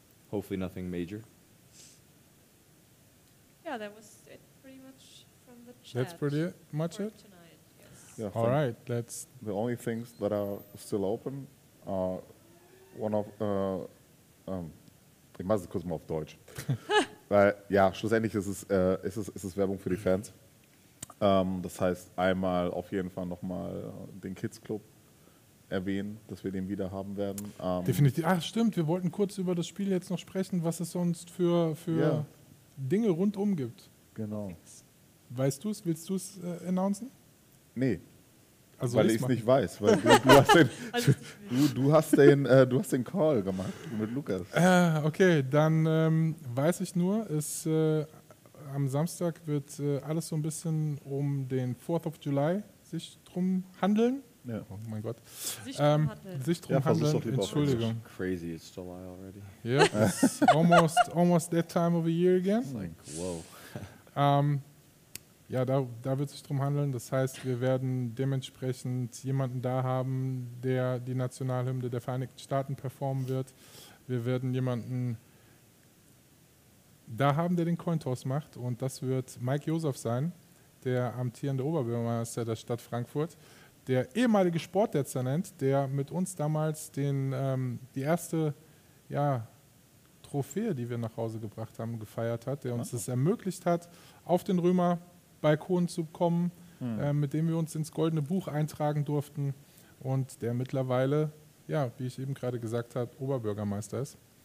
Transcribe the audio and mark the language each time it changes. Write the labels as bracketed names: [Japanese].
[English] Hopefully nothing major. Yeah, that was it pretty much from the chat. That's pretty much for it. Tonight, yes. Yeah, all right, let's. The only things that are still open are one of. [German] Ich mache es kurz mal auf Deutsch. Weil, ja, schlussendlich ist es Werbung für die Fans. Das heißt, einmal auf jeden Fall nochmal den Kids Club erwähnen, dass wir den wieder haben werden. Definitiv. Ach, stimmt, wir wollten kurz über das Spiel jetzt noch sprechen, was es sonst für yeah. Dinge rundum gibt. Genau. Weißt du es? Willst du es announcen? Nee. Also weil ich es nicht weiß. Weil du hast den Call gemacht mit Lukas. Okay, dann weiß ich nur, am Samstag wird alles so ein bisschen um den 4th of July sich drum handeln. Ja. Oh mein Gott. Sich drum handeln. Entschuldigung. [English] It's crazy, it's July already. Yeah, it's almost that time of the year again. It's like, wow. [German] Ja, da wird sich drum handeln. Das heißt, wir werden dementsprechend jemanden da haben, der die Nationalhymne der Vereinigten Staaten performen wird. Wir werden jemanden da haben, der den Coin Toss macht. Und das wird Mike Josef sein, der amtierende Oberbürgermeister der Stadt Frankfurt, der ehemalige Sportdezernent, der mit uns damals die erste Trophäe, die wir nach Hause gebracht haben, gefeiert hat, der uns das ermöglicht hat, auf den Römer Balkon zu kommen, mit dem wir uns ins Goldene Buch eintragen durften und der mittlerweile, ja, wie ich eben gerade gesagt habe, Oberbürgermeister ist.